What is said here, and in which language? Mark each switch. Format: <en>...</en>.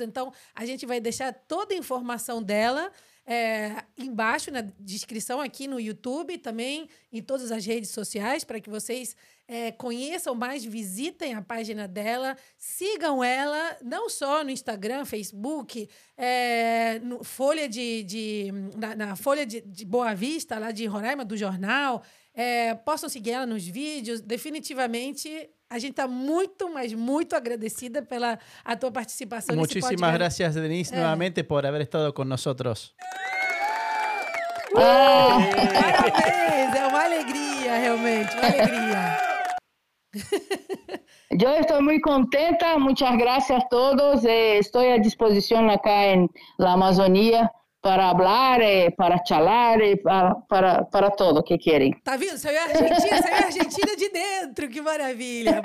<pt>Então, a gente vai deixar toda a informação dela embaixo na descrição aqui no YouTube, também em todas as redes sociais, para que vocês conheçam mais, visitem a página dela, sigam ela, não só no Instagram, Facebook, no Folha na Folha de Boa Vista, lá de Roraima, do jornal, possam seguir ela nos vídeos. Definitivamente, a gente está muito, mas muito agradecida pela a tua participação.</pt> <es>Muchísimas gracias, Denise, nuevamente por haber estado con nosotros.</es> <pt>Parabéns, é uma alegria, realmente, uma alegria.</pt> <es>Yo estoy muy contenta, muchas gracias a todos. Estoy a disposición acá en la Amazonía para hablar, para charlar, para todo lo que quieren.</es> <pt>Tá vendo? Você é argentina, você é argentina de dentro, que maravilha.</pt>